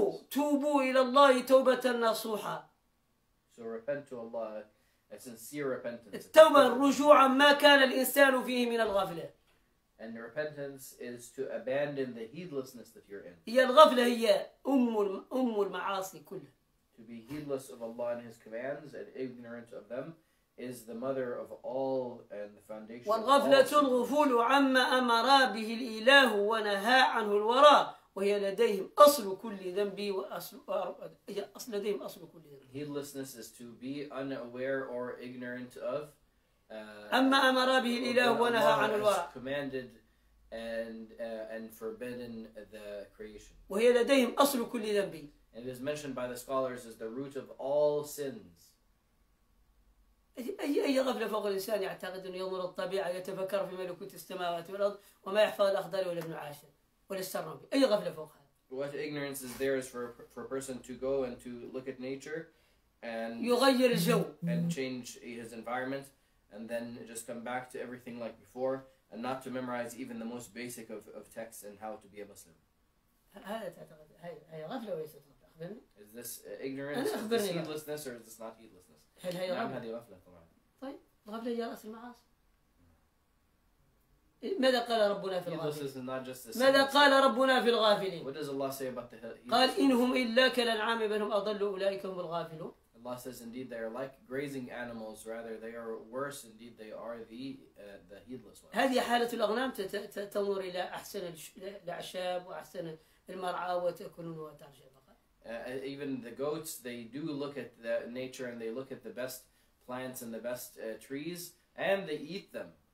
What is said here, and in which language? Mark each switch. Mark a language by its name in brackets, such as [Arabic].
[Arabic] توبوا إلى الله توبة نصوحة. [English] So repent to Allah, A sincere repentance. [Arabic] التوبة الرجوع ما كان الإنسان فيه من الغفلة. [English] And repentance is to abandon the heedlessness that you're in. [Arabic] هي الغفلة هي أم المعاصي كلها. [English] To be heedless of Allah and His commands and ignorant of them is the mother of all and the foundation. [Arabic] والغفلة الغفول عما أمر به الإله ونهى عنه الوراء وهي لديهم أصل كل ذنب وأصل هي أصل لديهم أصل كل ذنب. [English] Heedlessness is to be unaware or ignorant of. [Arabic] أما أمر به الإله ونهى عن الوراء. [English] Commanded and forbidden the creation. [Arabic] وهي لديهم أصل كل ذنب. [English] And it is mentioned by the scholars as the root of all sins. [Arabic] أي غفلة فوق الإنسان يعتقد أنه يمر الطبيعة يتفكر في ملكوت السماوات والأرض وما يحفظ الأخضر ولا ابن عاشر ولا السرنبي أي غفلة فوق هذا. [English] What ignorance is there is for a person to go and to look at nature and [Arabic] يغير الجو [English] and change his environment and then just come back to everything like before and not to memorize even the most basic of texts and how to be a Muslim. [Arabic] هذا تعتقد هي غفلة وليس [English] غفلة. Is this ignorance? Is this heedlessness or is this not heedlessness? [Arabic] هل هي الغفلة؟ طيب الغفلة هي رأس المعاصي. ماذا قال ربنا في الغافلين؟ ماذا قال ربنا في الغافلين؟ [English] What does Allah say about the heedless? [Arabic] قال إنهم إلا كالأنعام بل هم أضل أولئك هم الغافلون. [English] Allah says indeed they are like grazing animals rather they are worse indeed they are the heedless ones. [Arabic] هذه حالة الأغنام تنظر إلى أحسن الأعشاب وأحسن المرعى وتأكلون وترجع. [English] Even the goats, they do look at the nature and they look at the best plants and the best trees and they eat them.